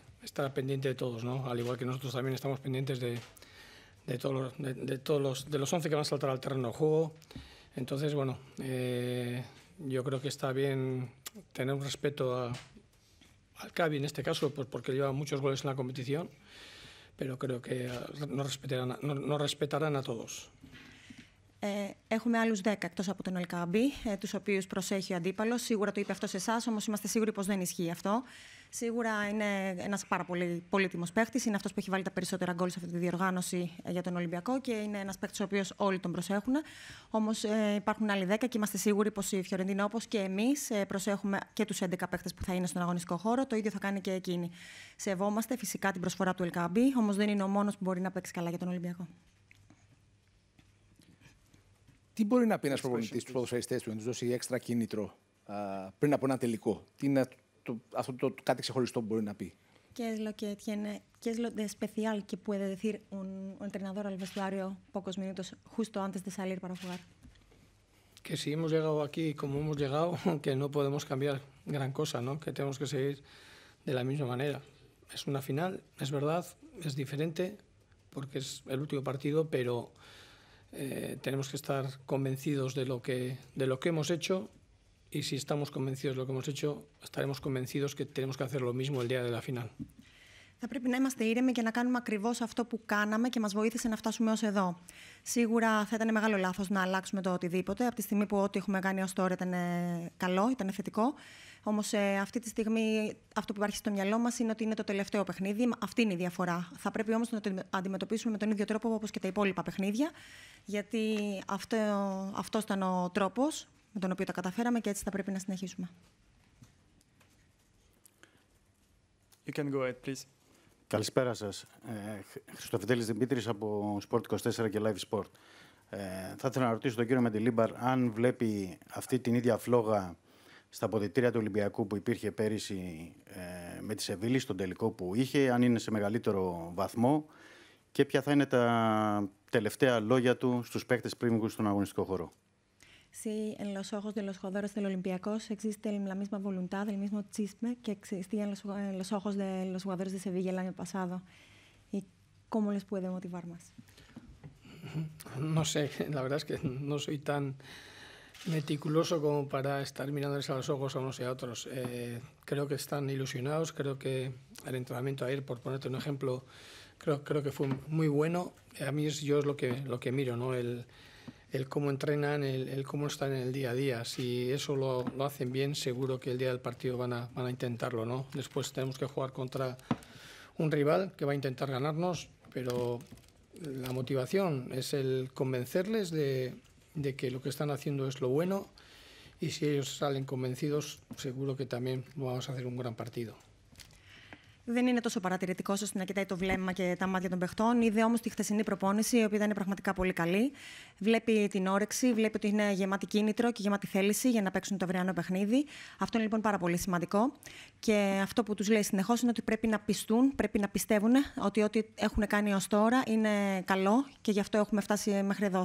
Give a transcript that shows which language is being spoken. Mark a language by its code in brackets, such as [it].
[es] estar pendiente de todos, ¿no? Al igual que nosotros también estamos pendientes de todos los 11 que van a saltar al terreno de juego. Entonces, bueno, yo creo que está bien tener un respeto al Cavi en este caso, pues porque lleva muchos goles en la competición, pero creo que nos respetarán a todos. [el] Έχουμε άλλους 10 εκτός από τον Ελκαμπή, τους οποίους προσέχει ο αντίπαλος. Σίγουρα το είπε αυτό σε εσάς, όμως είμαστε σίγουροι πως δεν ισχύει αυτό. Σίγουρα είναι ένας πάρα πολύ πολύτιμος παίχτης. Είναι αυτός που έχει βάλει τα περισσότερα γκολ σε αυτή τη διοργάνωση για τον Ολυμπιακό και είναι ένας παίχτης ο οποίος όλοι τον προσέχουν. Όμως υπάρχουν άλλοι 10 και είμαστε σίγουροι πως η Φιωρεντίνα, όπως και εμείς, προσέχουμε και τους 11 παίχτες που θα είναι στον αγωνιστικό χώρο. Το ίδιο θα κάνει και εκείνη. Σεβόμαστε φυσικά την προσφορά του Ελκαμπή, όμως δεν είναι ο μόνος που μπορεί να παίξει καλά για τον Ολυμπιακό. Τι μπορεί να πει ένας προπονητής στους ποδοσφαιριστές του να τους δώσει έξτρα κίνητρο πριν από ένα τελικό? Τι είναι αυτό το κάτι ξεχωριστό που μπορεί να πει? [es] ¿Qué es lo que tiene, qué es lo de especial que puede decir un entrenador al vestuario pocos minutos justo antes de salir para jugar? Que si hemos llegado aquí como hemos llegado, que no podemos cambiar gran cosa, ¿no? Que tenemos que seguir de la misma manera. Es una final, es verdad, es diferente porque es el último partido, pero tenemos que estar convencidos de lo que hemos hecho, y si estamos convencidos de lo que hemos hecho, estaremos convencidos que tenemos que hacer lo mismo el día de la final. [el] Θα πρέπει να είμαστε ήρεμοι και να κάνουμε ακριβώς αυτό που κάναμε και μας βοήθησε να φτάσουμε ως εδώ. Σίγουρα θα ήταν μεγάλο λάθος να αλλάξουμε το οτιδήποτε, από τη στιγμή που ό,τι έχουμε κάνει ως τώρα ήταν καλό, ήταν θετικό. Όμως αυτή τη στιγμή αυτό που υπάρχει στο μυαλό μας είναι ότι είναι το τελευταίο παιχνίδι. Αυτή είναι η διαφορά. Θα πρέπει όμως να το αντιμετωπίσουμε με τον ίδιο τρόπο όπως και τα υπόλοιπα παιχνίδια, γιατί αυτό ήταν ο τρόπος με τον οποίο τα καταφέραμε και έτσι θα πρέπει να συνεχίσουμε. [en] You can go ahead, please. [el] Καλησπέρα σας. Χριστοφιδέλης Δημήτρης από Sport 24 και Live Sport. Θα ήθελα να ρωτήσω τον κύριο Μεντιλίμπαρ αν βλέπει αυτή την ίδια φλόγα στα αποδυτήρια του Ολυμπιακού που υπήρχε πέρυσι με τη Σεβίλη, στον τελικό που είχε, αν είναι σε μεγαλύτερο βαθμό και ποια θα είναι τα τελευταία λόγια του στους παίκτες πριν βγουν στον αγωνιστικό χώρο. [es] Sí, en los ojos de los jugadores del Olympiacos existe la misma voluntad, el mismo chisme que existía en los ojos de los jugadores de Sevilla el año pasado. ¿Y cómo les puede motivar más? No sé, la verdad es que no soy tan meticuloso como para estar mirándoles a los ojos a unos y a otros. Creo que están ilusionados, creo que el entrenamiento ayer, por ponerte un ejemplo, creo que fue muy bueno. A mí es lo que miro, ¿no? El cómo entrenan, el cómo están en el día a día. Si eso lo hacen bien, seguro que el día del partido van a intentarlo, ¿no? Después tenemos que jugar contra un rival que va a intentar ganarnos, pero la motivación es el convencerles de que lo que están haciendo es lo bueno, y si ellos salen convencidos, seguro que también vamos a hacer un gran partido. [el] Δεν είναι τόσο παρατηρητικός ώστε να κοιτάει το βλέμμα και τα μάτια των παιχτών. Είδε όμως τη χθεσινή προπόνηση, η οποία ήταν πραγματικά πολύ καλή. Βλέπει την όρεξη, βλέπει ότι είναι γεμάτη κίνητρο και γεμάτη θέληση για να παίξουν το αυριανό παιχνίδι. Αυτό είναι λοιπόν πάρα πολύ σημαντικό. Και αυτό που τους λέει συνεχώς είναι ότι πρέπει να πιστούν, πρέπει να πιστεύουν ότι ό,τι έχουν κάνει ως τώρα είναι καλό και γι' αυτό έχουμε φτάσει μέχρι εδώ.